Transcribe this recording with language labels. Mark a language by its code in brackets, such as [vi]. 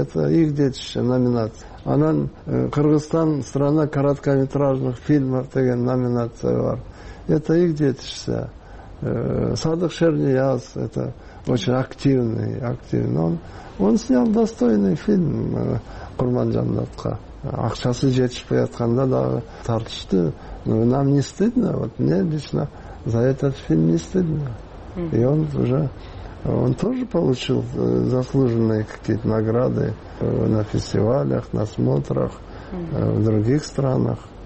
[ru] Это их детище, номинация. Анан Кыргызстан страна короткометражных фильмов [ky] деген номинация бар. [ru] Это их детище. Садык Шернияз, это очень активный, активный. Он снял достойный фильм Курманжандатка. [ky] Акчасы жетишпей атканда дагы тартышты. [ru] Ну, нам не стыдно, вот мне лично за этот фильм не стыдно. И он уже, он тоже получил заслуженные какие-то награды на фестивалях, на смотрах в других странах.